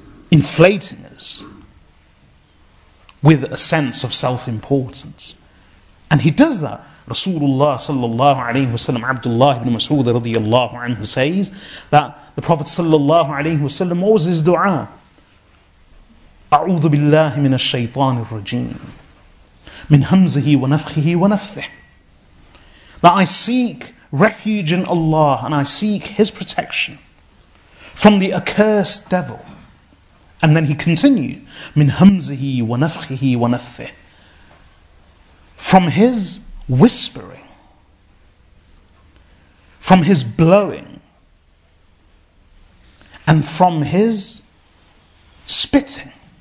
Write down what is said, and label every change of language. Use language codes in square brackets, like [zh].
[en] inflating us with a sense of self-importance. And he does that. Rasulullah sallallahu alayhi wasallam, Abdullah ibn Mas'ud radiyallahu anhu, says that the Prophet sallallahu alayhi wasallam, what was his dua? [ar] أعوذ بالله من الشيطان الرجيم من همزه ونفخه ونفثه. [en] That I seek refuge in Allah and I seek His protection from the accursed devil. And then he continued, [ar] من همزه ونفخه ونفثه. [en] From his whispering, from his blowing, and from his spitting.